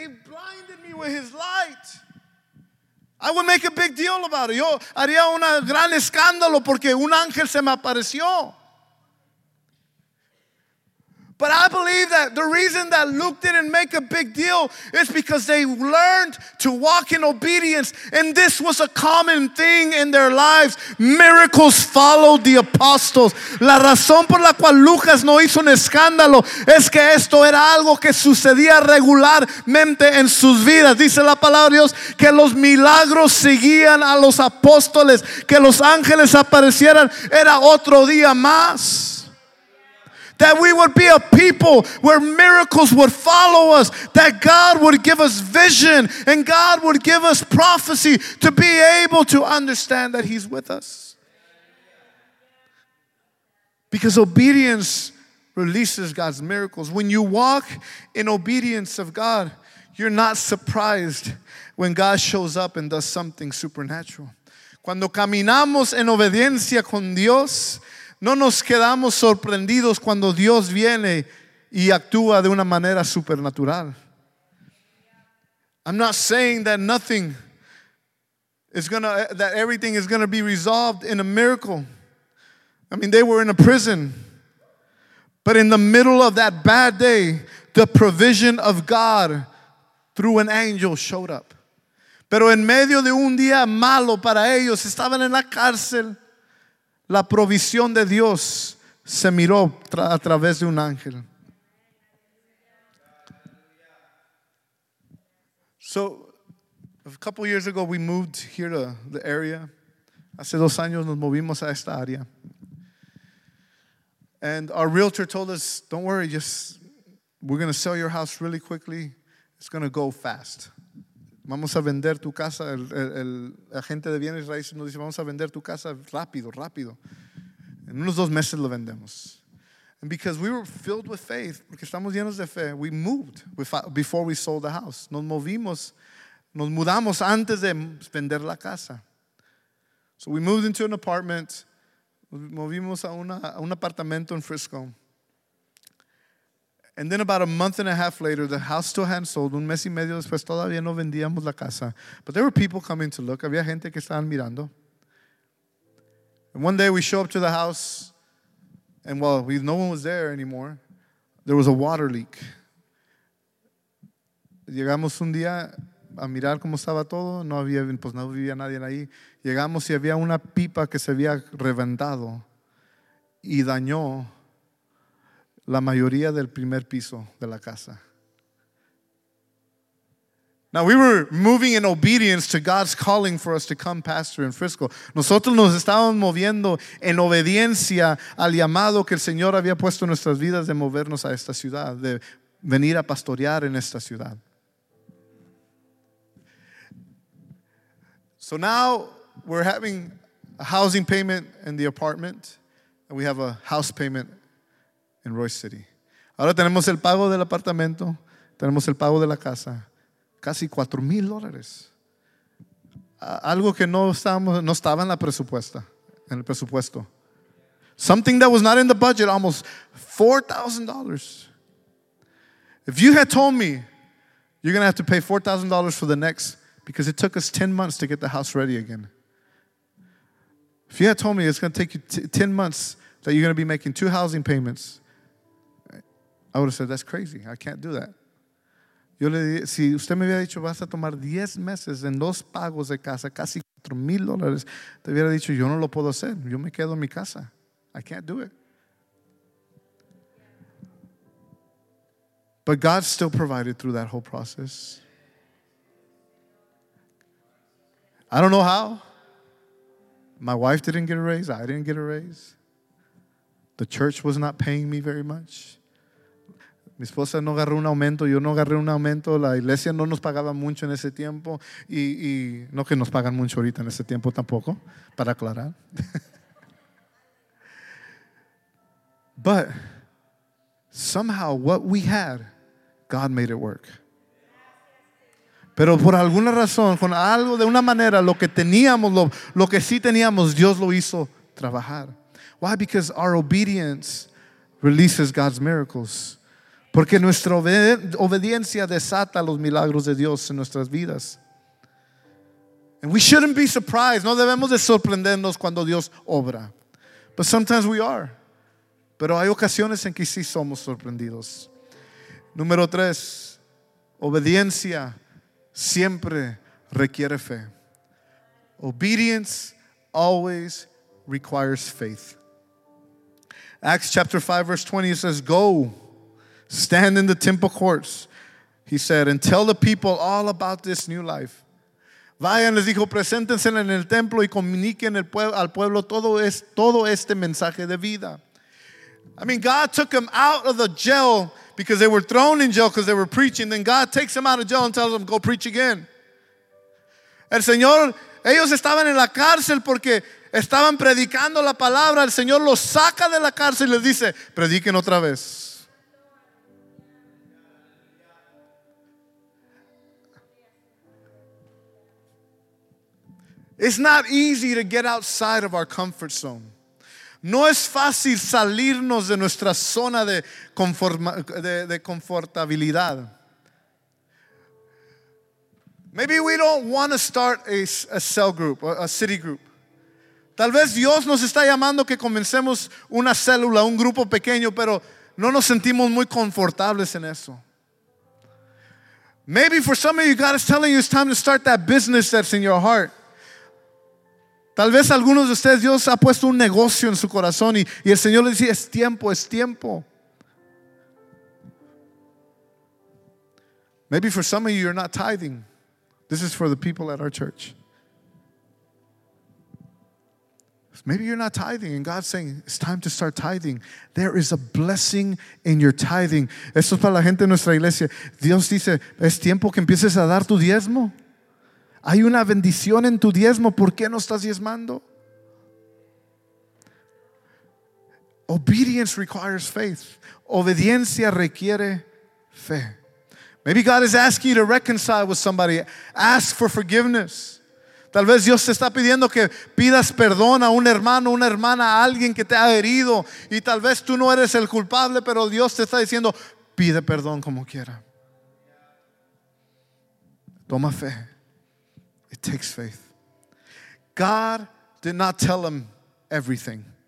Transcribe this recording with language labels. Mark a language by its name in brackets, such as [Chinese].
[English] And he blinded me with his light. I would make a big deal about it. [Spanish] Yo haría un gran escándalo porque un ángel se me apareció. [English] But I believe that the reason that Luke didn't make a big deal is because they learned to walk in obedience. And this was a common thing in their lives. Miracles followed the apostles. [Spanish] La razón por la cual Lucas no hizo un escándalo es que esto era algo que sucedía regularmente en sus vidas. Dice la palabra de Dios que los milagros seguían a los apóstoles. Que los ángeles aparecieran era otro día más. [English] That we would be a people where miracles would follow us. That God would give us vision and God would give us prophecy to be able to understand that He's with us. Because obedience releases God's miracles. When you walk in obedience of God, you're not surprised when God shows up and does something supernatural. [Spanish] Cuando caminamos en obediencia con Dios, no nos quedamos sorprendidos cuando Dios viene y actúa de una manera supernatural. [English] I'm not saying that nothing is gonna, that everything is gonna be resolved in a miracle. I mean, they were in a prison. But in the middle of that bad day, the provision of God through an angel showed up. [Spanish] Pero en medio de un día malo para ellos, estaban en la cárcel. La provisión de Dios se miró a través de un ángel. [English] So, a couple years ago, we moved here to the area. [Spanish] Hace 2 años nos movimos a esta área. [English] And our realtor told us, don't worry, just We're going to sell your house really quickly. It's going to go fast. [Spanish] Vamos a vender tu casa. El agente de bienes raíces nos dice, vamos a vender tu casa rápido, rápido. En unos dos meses lo vendemos. [English] And because we were filled with faith, [Spanish] porque estamos llenos de fe, [English] we moved before we sold the house. [Spanish] Nos mudamos antes de vender la casa. [English] So we moved into an apartment. [Spanish] Movimos a un apartamento en Frisco. [English] And then about a month and a half later, the house still hadn't sold. [Spanish] Un mes y medio después, todavía no vendíamos la casa. [English] But there were people coming to look. [Spanish] Había gente que estaban mirando. [English] And one day we show up to the house, and while no one was there anymore, there was a water leak. [Spanish] Llegamos un día a mirar cómo estaba todo. No había, pues no vivía nadie ahí. Llegamos y había una pipa que se había reventado y dañó la mayoría del primer piso de la casa. [English] Now we were moving in obedience to God's calling for us to come pastor in Frisco. [Spanish] Nosotros nos estábamos moviendo en obediencia al llamado que el Señor había puesto en nuestras vidas de movernos a esta ciudad, de venir a pastorear en esta ciudad. [English] So now we're having a housing payment in the apartment, and we have a house payment in Royce City. [Spanish] Ahora tenemos el pago del apartamento, tenemos el pago de la casa, casi $4,000. Algo que no estaba en la presupuesta, en el presupuesto. [English] Something that was not in the budget, almost $4,000. If you had told me you're going to have to pay $4,000 for the next, because it took us 10 months to get the house ready again. If you had told me it's going to take you 10 months that you're going to be making two housing payments, I would have said, that's crazy. I can't do that. [Spanish] Yo le dije, si usted me hubiera dicho, vas a tomar 10 meses en dos pagos de casa, casi $4,000, te hubiera dicho, yo no lo puedo hacer. Yo me quedo en mi casa. [English] I can't do it. But God still provided through that whole process. I don't know how. My wife didn't get a raise. I didn't get a raise. The church was not paying me very much. [Spanish] Mi esposa no agarró un aumento. Yo no agarré un aumento. La iglesia no nos pagaba mucho en ese tiempo. Y no que nos pagan mucho ahorita en ese tiempo tampoco, para aclarar. [English] But somehow what we had, God made it work. [Spanish] Pero por alguna razón, con algo de una manera, lo que teníamos, lo que sí teníamos, Dios lo hizo trabajar. [English] Why? Because our obedience releases God's miracles. [Spanish] Porque nuestra obediencia desata los milagros de Dios en nuestras vidas. [English] And we shouldn't be surprised. [Spanish] No debemos de sorprendernos cuando Dios obra. [English] But sometimes we are. [Spanish] Pero hay ocasiones en que sí somos sorprendidos. Número tres, obediencia siempre requiere fe. [English] Obedience always requires faith. Acts chapter 5 verse 20, it says, go, stand in the temple courts, he said, and tell the people all about this new life. [Spanish] Vayan, les dijo, preséntense en el templo y comuniquen al pueblo todo este mensaje de vida. [English] I mean, God took them out of the jail because they were thrown in jail because they were preaching. Then God takes them out of jail and tells them, go preach again. [Spanish] El Señor, ellos estaban en la cárcel porque estaban predicando la palabra. El Señor los saca de la cárcel y les dice, prediquen otra vez. [English] It's not easy to get outside of our comfort zone. [Spanish] No es fácil salirnos de nuestra zona de confortabilidad. [English] Maybe we don't want to start a cell group, a city group. [Spanish] Tal vez Dios nos está llamando que comencemos una célula, un grupo pequeño, pero no nos sentimos muy confortables en eso. [English] Maybe for some of you, God is telling you it's time to start that business that's in your heart. [Spanish] Tal vez algunos de ustedes, Dios ha puesto un negocio en su corazón y el Señor le dice, es tiempo, es tiempo. [English] Maybe for some of you, you're not tithing. This is for the people at our church. Maybe you're not tithing, and God's saying, it's time to start tithing. There is a blessing in your tithing. [Spanish] Esto es para la gente de nuestra iglesia. Dios dice, es tiempo que empieces a dar tu diezmo. Hay una bendición en tu diezmo. ¿Por qué no estás diezmando? [English] Obedience requires faith. [Spanish] Obediencia requiere fe. [English] Maybe God is asking you to reconcile with somebody. Ask for forgiveness. [Spanish] Tal vez Dios te está pidiendo que pidas perdón a un hermano, una hermana, a alguien que te ha herido. Y tal vez tú no eres el culpable, pero Dios te está diciendo, pide perdón como quiera. Toma fe. [English] It takes faith. God did not tell them everything.